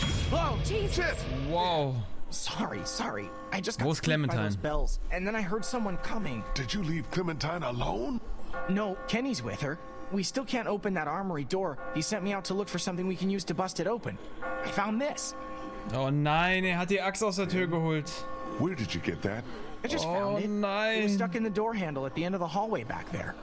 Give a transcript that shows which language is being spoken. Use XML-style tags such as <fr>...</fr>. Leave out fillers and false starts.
<en>Oh, Jesus! Wow. Sorry. I just got scared by those bells, and then I heard someone coming. Did you leave Clementine alone? No, Kenny's with her. We still can't open that armory door. He sent me out to look for something we can use to bust it open. I found this.</en> <de>Oh nein, hat die Axt aus der Tür geholt.</de> <en>Where did you get that? I just found it.</en> <de>Oh nein.</de> <en>It was stuck in the door handle at the end of the hallway back there.</en>